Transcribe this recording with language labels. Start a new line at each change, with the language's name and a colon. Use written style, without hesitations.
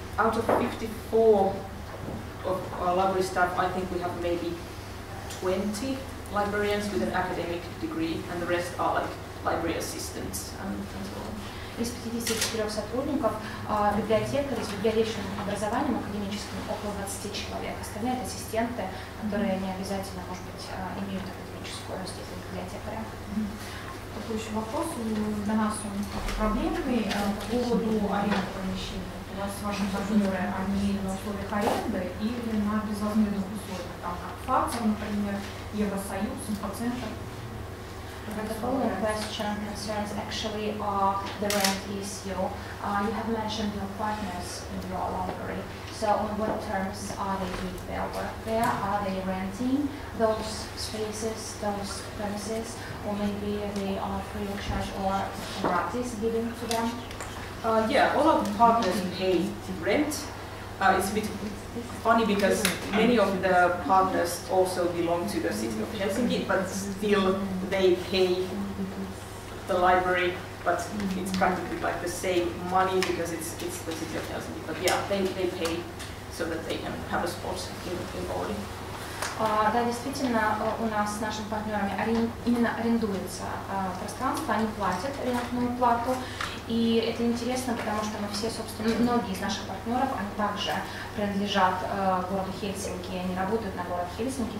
English: Out of 54 of our library staff, I think we have maybe 20 librarians with an academic degree, and the rest are like library assistants and so on.
Russian: Из 54 сотрудников библиотекарей с библиотечным образованием академическим около 20 человек. Остальные это ассистенты, которые не обязательно, может быть, имеют академическую степень библиотекаря. Такой еще вопрос для нас, он проблемный, по поводу аренды помещения. У вас ваши партнеры, они на условиях аренды или на безвозмездных условиях, там как фактор, например, Евросоюз, инфоцентр?
English: The following question concerns actually the rent issue. You have mentioned your partners in your library. So on what terms are they doing their work there? Are they renting those spaces, those premises, or maybe they are free of charge or gratis given to them? All of the partners pay rent. It's a bit funny because many of the partners also belong to the city of Helsinki, but still they pay the library, but it's practically like the same money because it's the city of Helsinki. But they pay so that they can have a spot in Oodi.
Russian: Да, действительно, у нас с нашими партнерами именно арендуется пространство, они платят арендную плату. И это интересно, потому что мы все, собственно, многие из наших партнеров, они также принадлежат городу Хельсинки, они работают на город Хельсинки.